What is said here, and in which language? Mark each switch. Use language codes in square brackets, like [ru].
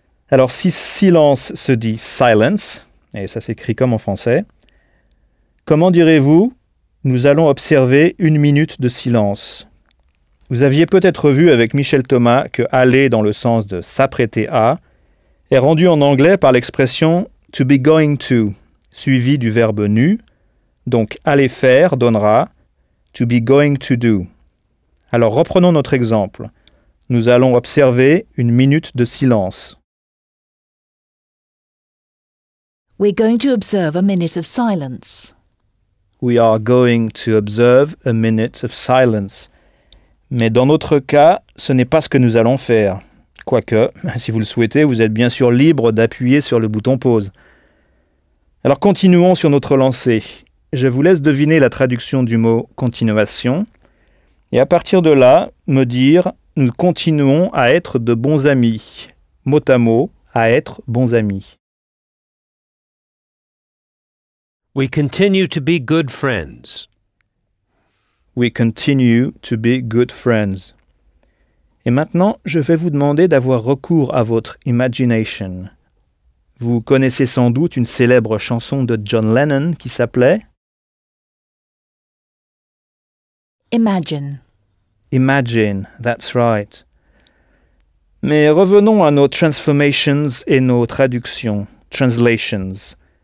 [fr] Alors, si silence se dit silence, et ça s'écrit comme en français, comment direz-vous « nous allons observer une minute de silence » Vous aviez peut-être vu avec Michel Thomas que « aller » dans le sens de « s'apprêter à » est rendu en anglais par l'expression « [en] to be going to [fr] » suivi du verbe « nu ». Donc « aller faire » donnera « [en] to be going to do ». [fr] Alors reprenons notre exemple. Nous allons observer une minute de silence. [en] We're going to observe a minute of silence. We are going to observe a minute of silence. [fr] Mais dans notre cas, ce n'est pas ce que nous allons faire. Quoique, si vous le souhaitez, vous êtes bien sûr libre d'appuyer sur le bouton pause. Alors continuons sur notre lancée. Je vous laisse deviner la traduction du mot « continuation ». Et à partir de là, me dire « nous continuons à être de bons amis ». Mot à mot, « à être bons amis ». [en] We continue to be good friends. We continue to be good friends. [fr] Et maintenant, je vais vous demander d'avoir recours à votre imagination. Vous connaissez sans doute une célèbre chanson de John Lennon qui s'appelait [en] Imagine. Imagine, that's right. [fr] Mais revenons à nos transformations et nos traductions, translations.